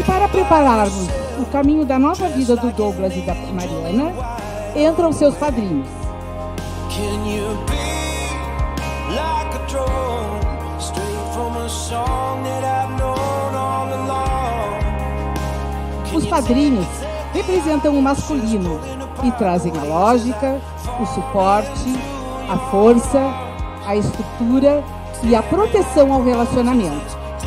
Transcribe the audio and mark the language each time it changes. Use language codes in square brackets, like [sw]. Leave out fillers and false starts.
[pt] E para prepararmos o caminho da nova vida do Douglas e da Mariana, entram seus padrinhos. [en] Can you be like a drone, straight from a song that I've known all along? [pt] Os padrinhos representam o masculino e trazem a lógica, o suporte, a força, a estrutura e a proteção ao relacionamento.